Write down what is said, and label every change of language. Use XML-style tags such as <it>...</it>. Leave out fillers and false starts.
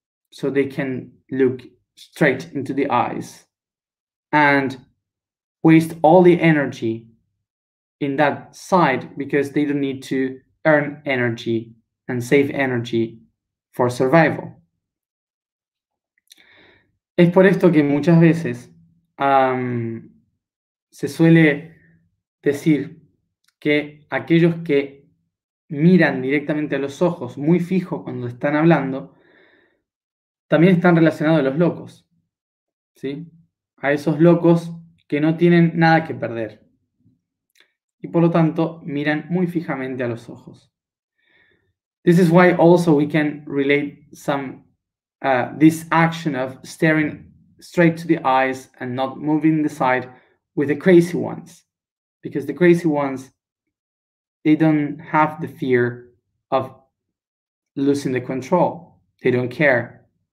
<en>So they can look straight into the eyes and waste all the energy in that side because they don't need to earn energy and save energy for survival.</en> <es>Es por esto que muchas veces se suele decir que aquellos que miran directamente a los ojos muy fijo cuando están hablando también están relacionados a los locos, ¿sí? A esos locos que no tienen nada que perder y por lo tanto miran muy fijamente a los ojos.</es> <en>This is why also we can relate some this action of staring straight to the eyes and not moving the side with the crazy ones, because the crazy ones, they don't have the fear of losing the control. They don't care.</en>